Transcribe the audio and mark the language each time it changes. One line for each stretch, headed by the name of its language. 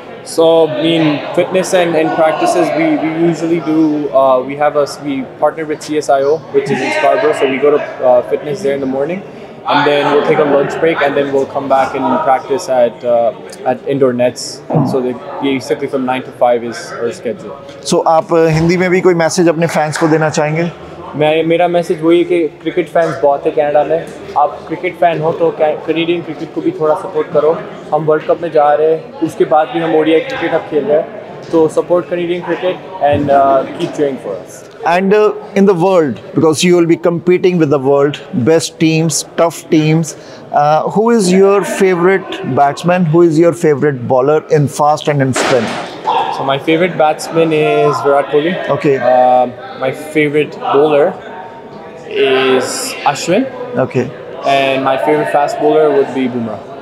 English: So, I mean, fitness and practices, we usually do, we partner with CSIO, which is in Scarborough, so we go to fitness there in the morning, and then we'll take a lunch break, and then we'll come back and practice at indoor nets. And so, basically from 9 to 5 is our schedule.
Hindi: So, aap Hindi mein bhi koi message apne fans ko dena chahenge? मेरा message वही है कि cricket fans बहुत है Canada में, आप cricket fan हो तो कैनेडियन क्रिकेट को भी थोड़ा सपोर्ट करो, हम वर्ल्ड कप में जा रहे हैं, उसके बाद भी हम ओडीआई क्रिकेट अब खेल रहे हैं, तो
English: Support Canadian cricket and keep cheering for us and in the world because you will be competing with the world best teams tough teams. Who is your favorite batsman? Who is your favorite bowler in fast and in spin? So my favorite batsman is Virat Kohli. Okay. My favorite bowler is Ashwin. Okay. And my favorite fast bowler would be Bumrah.